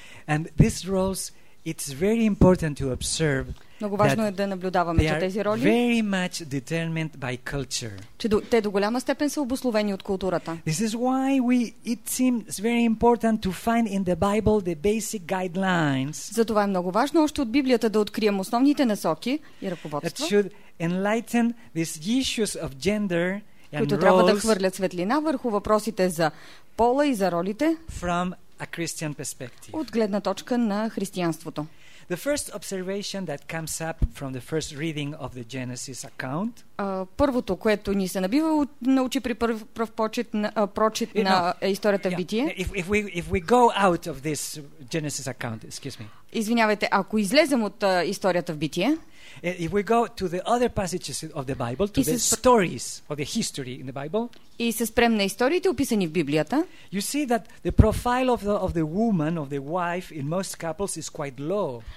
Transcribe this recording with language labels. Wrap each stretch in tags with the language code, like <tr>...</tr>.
<en>And these roles, it's very important to observe.</en> <bg>Много важно е да наблюдаваме, че тези роли</bg> <en>very much determined by culture.</en> <bg>Че те до голяма степен са обусловени от културата.</bg> <en>This is why it seems very important to find in the Bible the basic guidelines.</en> <bg>Затова е много важно още от Библията да открием основните насоки и ръководства.</bg> <en>That should enlighten these issues of gender and</en> <bg>roles. Които трябва да хвърлят светлина върху въпросите за пола и за ролите.</bg> <en>From a Christian perspective.</en> <bg>От гледна точка на християнството.</bg> <en>The first observation that comes up from the first reading of the Genesis account.</en> <bg>Първото, което ни се набива на очи при пръв прочит на историята в Битие.</bg> <en>If we go out of this Genesis account, excuse me.</en> <bg>Извинявайте, ако излезем от историята в Битие.</bg> <en>If we go to the other passages of the Bible, to the stories of the history in the Bible.</en> <bg>И се спрем на историите описани в Библията.</bg> <en>You see that the profile of the woman, of the wife in most couples is quite low.</en>